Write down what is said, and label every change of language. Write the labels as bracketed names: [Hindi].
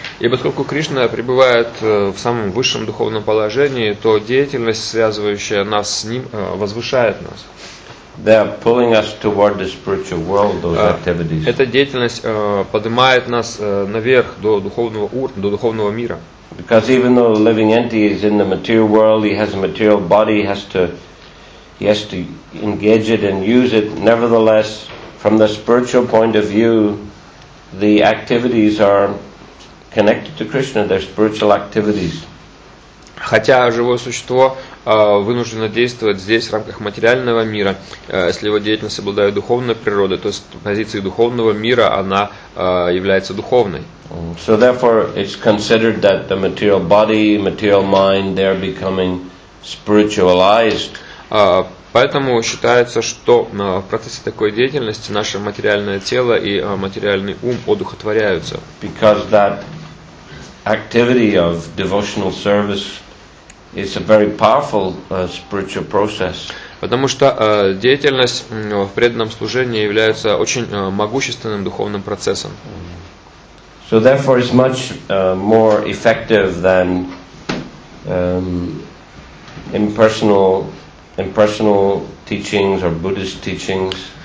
[Russian] И поскольку Кришна пребывает в самом высшем духовном положении, то деятельность, связывающая нас с ним, возвышает нас. [English] They are pulling us toward the spiritual world, those activities. [Russian] Эта деятельность поднимает нас наверх до духовного уровня, до духовного мира. [English] Because even though the living entity is in the material world, he has a material body, he has to engage it and use it. Nevertheless, from the spiritual point of view, the activities are connected to Krishna, they're spiritual activities. [Russian] Хотя живое существо вынуждено действовать здесь в рамках материального мира, если его деятельность обладает духовной природой, то есть позиция духовного мира, она является духовной. [English] So therefore it's considered that the material body, material mind, they're becoming spiritualized. [Russian] Поэтому считается, что в процессе такой деятельности наше материальное тело и материальный ум одухотворяются. [English] Because that activity of devotional service, it's a very powerful spiritual process. [Russian] Потому что деятельность в преданном служении является очень могущественным духовным процессом. [English] So therefore it's much more effective than impersonal teachings or Buddhist teachings.